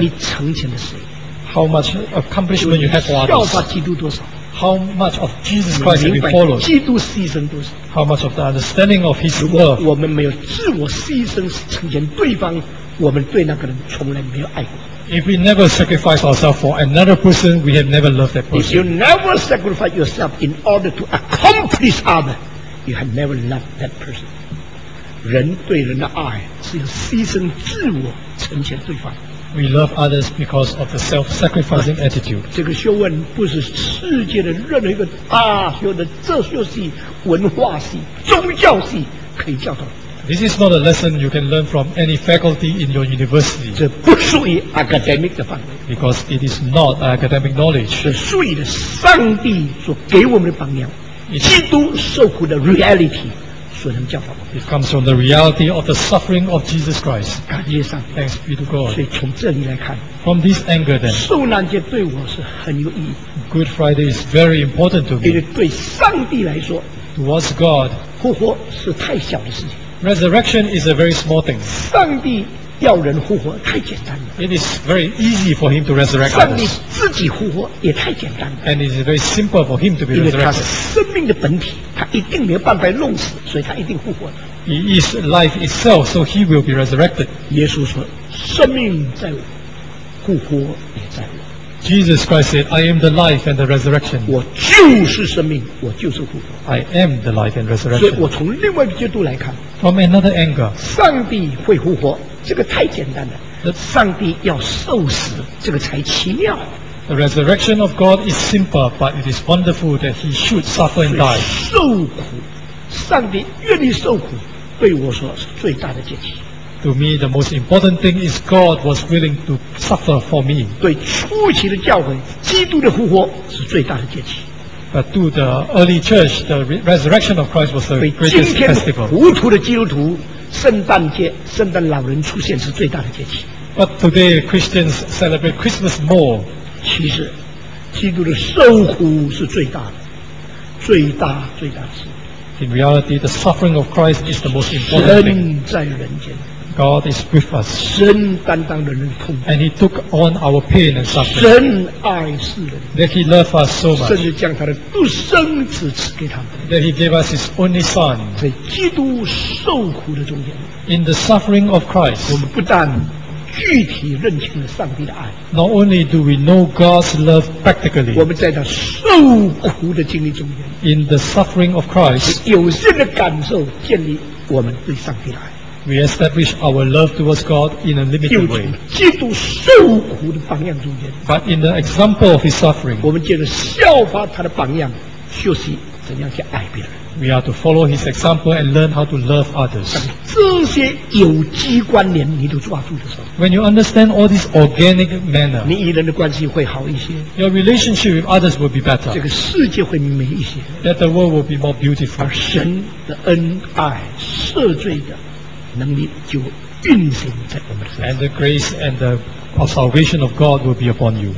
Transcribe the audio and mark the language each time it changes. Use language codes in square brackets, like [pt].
[zh] 你成全了谁？ [en] How much accomplishment you have for others? [zh] 效法基督多少？ [en] How much of Jesus Christ have you followed? [zh] 基督牺牲多少？ [en] How much of the understanding of His love? [zh] 我们没有自我牺牲成全对方，我们对那个人从来没有爱过。 [en] If we never sacrifice ourselves for another person, we have never loved that person. If you never sacrifice yourself in order to accomplish others, you have never loved that person. [zh] 人对人的爱是要牺牲自我成全对方。 [en] We love others because of the self-sacrificing attitude. [zh] 这个学问不是世界的任何一个大学的哲学系、文化系、宗教系可以教导。 [en] This is not a lesson you can learn from any faculty in your university. [zh] 这不属于 academic 的范围。 [en] Because it is not academic knowledge. [zh] 是属于上帝所给我们的榜样， 基督受苦的 reality 所能教导我们。 [en] It comes from the reality of the suffering of Jesus Christ. [zh] 感谢上帝。 [en] Thanks be to God. [zh] 所以从这里来看， [en] from this angle then, [zh] 受难节对我是很有意义。 [en] Good Friday is very important to me. [zh] 因为对上帝来说， [en] towards God, [zh] 复活是太小的事情。 [en] Resurrection is a very small thing. [zh] 上帝要人复活太简单了。 [en] It is very easy for him to resurrect. [zh] 上帝自己复活也太简单了。 [en] And it is very simple for him to be resurrected. [zh] 因为他是生命的本体，他一定没有办法弄死，所以他一定复活的。 [en] He is life itself, so he will be resurrected. [zh] 耶稣说：“生命在我，复活也在我。” [en] Jesus Christ said, I am the life and the resurrection. [zh] 我就是生命，我就是复活。 [en] I am the life and resurrection. [zh] 所以我从另外一个角度来看， [en] From another angle, [zh] 上帝会复活，这个太简单了。上帝要受死，这个才奇妙。 [en] The resurrection of God is simple, but it is wonderful that he should suffer and die. [zh] 受苦，上帝愿意受苦，对我说是最大的拣选。 [en] To me, the most important thing is God was willing to suffer for me. [zh] 对初期的教会，基督的复活是最大的节期。 [en] But to the early church, the resurrection of Christ was the greatest festival. [zh] 糊涂的基督徒，圣诞节，圣诞老人出现是最大的节期。 [en] But today, Christians celebrate Christmas more. [zh] 其实，基督的受苦是最大的，最大最大的事。 [en] In reality, the suffering of Christ is the most important thing. [zh] 神在人间。 [en] God is with us. [zh] 神担当人的痛苦。 [en] And he took on our pain and suffering. [zh] 神爱世人。 [en] That he loved us so much. [zh] 甚至将他的独生子赐给他们。 [en] That he gave us his only son. [zh] 在基督受苦的中间。 [en] In the suffering of Christ. [zh] 我们不但具体认清了上帝的爱。 [en] Not only do we know God's love practically. [zh] 我们在他受苦的经历中间。 [en] In the suffering of Christ. [zh] 有限的感受建立我们对上帝的爱。 [en] We establish our love towards God in a limited way. [zh] 用基督受苦的榜样中间。 [en] But in the example of his suffering, [zh] 我们接着效法他的榜样，学习怎样去爱别人。 [en] We are to follow his example and learn how to love others. [zh] 当这些有机关联你都抓住的时候， [en] When you understand all this organic manner, [zh] 你与人的关系会好一些。 [en] Your relationship with others will be better. [zh] 这个世界会美一些。 [en] That the world will be more beautiful. [zh] 而神的恩爱赦罪的能力就运行在我们的身上。 [en] And the grace and the salvation of God will be upon you.